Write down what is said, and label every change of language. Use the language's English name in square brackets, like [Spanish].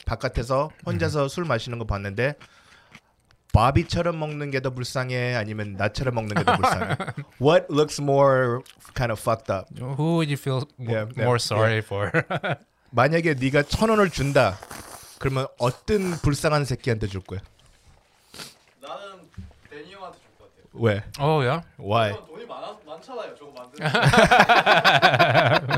[Korean] 바깥에서 혼자서 술 마시는 거 봤는데 바비처럼 먹는 게 더 불쌍해 아니면 나처럼 먹는 게 더 불쌍해? [English] What looks more kind of fucked up? Who would you feel more sorry for? [Korean] 만약에 네가 1,000 원을 준다 그러면 어떤 불쌍한 새끼한테 줄 거야? 나는 데니 형한테 줄 것 같아. 왜? [English] Oh yeah? Why? [Korean] 돈이 많잖아요 저거 만드는